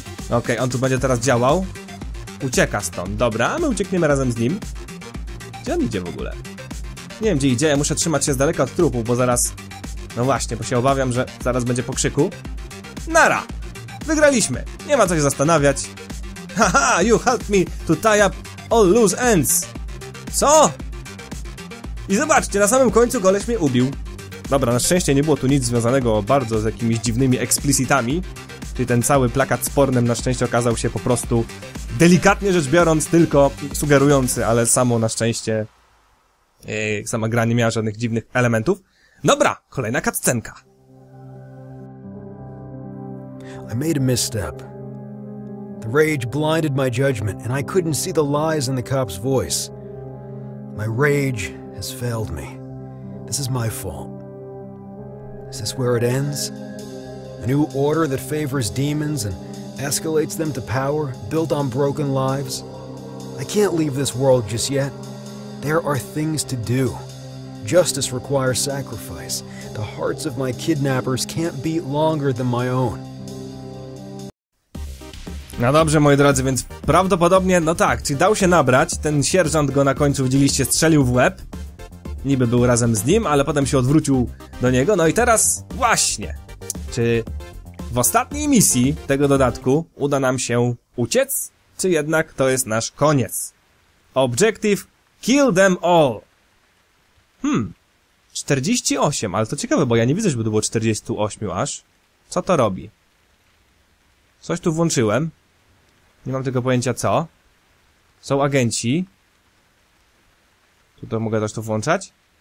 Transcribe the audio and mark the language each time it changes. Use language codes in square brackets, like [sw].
[pl] Okej, on tu będzie teraz działał. Ucieka stąd, dobra, a my uciekniemy razem z nim. Gdzie on idzie w ogóle? Nie wiem, gdzie idzie, ja muszę trzymać się z daleka od trupu, bo zaraz... No właśnie, bo się obawiam, że zaraz będzie po krzyku. Nara! Wygraliśmy! Nie ma co się zastanawiać. [en] Haha, you helped me to tie up all loose ends! [pl] Co? I zobaczcie, na samym końcu goleś mnie ubił. Dobra, na szczęście nie było tu nic związanego bardzo z jakimiś dziwnymi explicitami. Czyli ten cały plakat z pornem na szczęście okazał się po prostu delikatnie rzecz biorąc tylko sugerujący, ale samo na szczęście sama gra nie miała żadnych dziwnych elementów. Dobra, kolejna cutscenka. [en] I made a misstep. The rage blinded my judgment and I couldn't see the lies in the cop's voice. My rage has failed me. This is my fault. Is this where it ends? A new order that favors demons and escalates them to power, built on broken lives? I can't leave this world just yet. There are things to do. Justice requires sacrifice. The hearts of my kidnappers can't beat longer than my own. [pl] No dobrze, moi drodzy, więc prawdopodobnie, no tak, czy dał się nabrać, ten sierżant go na końcu, widzieliście, strzelił w łeb. Niby był razem z nim, ale potem się odwrócił do niego. No i teraz właśnie, czy w ostatniej misji tego dodatku uda nam się uciec, czy jednak to jest nasz koniec? [en] Objective, kill them all. [pl] 48, ale to ciekawe, bo ja nie widzę, żeby to było 48 aż. Co to robi? Coś tu włączyłem. Nie mam tylko pojęcia co. Są agenci. Tu to mogę też to włączać?